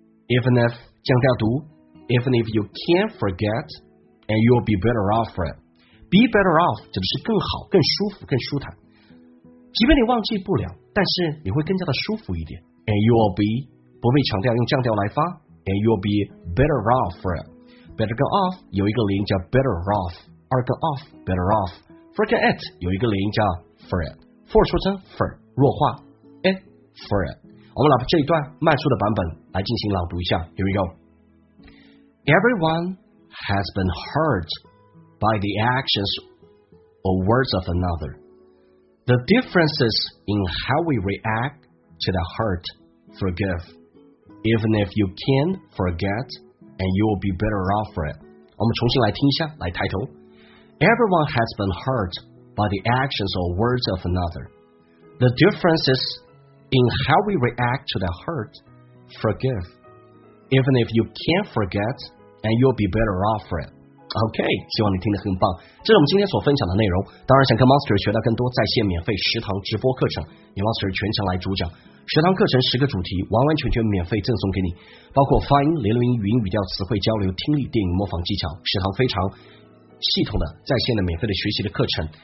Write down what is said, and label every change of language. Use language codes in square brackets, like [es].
[en] Even if [zh] 降调读 [en] ，Even if you can't forget and you'll be better off for it. Be better off [zh] 指的是更好、更舒服、更舒坦。即便你忘记不了，但是你会更加的舒服一点。 [en] And you'll be [zh] 不被强调，用降调来发。 [en] And you'll be better off for it. [zh] Better 跟 off 有一个连音叫 [en] better off， [zh] 二个 off better off。 [en] For 跟 it [zh] 有一个连音叫 [en] for it。For [zh] 说成 [en] for [zh] 弱化。 [en] For it. [zh] 我们来把这一段慢速的版本来进行朗读一下。 [en] Here we go. Everyone has been hurt by the actions or words of another. The difference is in how we react to the hurt. Forgive, even if you can forget, and you will be better off for it. [zh] 我们重新来听一下，来抬头。 [en] Everyone has been hurt by the actions or words of another. The difference is. In how we react to the hurt, forgive. Even if you can't forget, and you'll be better off for it. [zh] OK, 希望你听得很棒。这是我们今天所分享的内容。当然想跟 Monster 学到更多在线免费十堂直播课程，你 Monster 全程来主讲。十堂课程十个主题完完全全免费赠送给你，包括发音、连读音、语音、语调、词汇交流、听力、电影模仿技巧，十堂非常系统的在线的免费的学习的课程。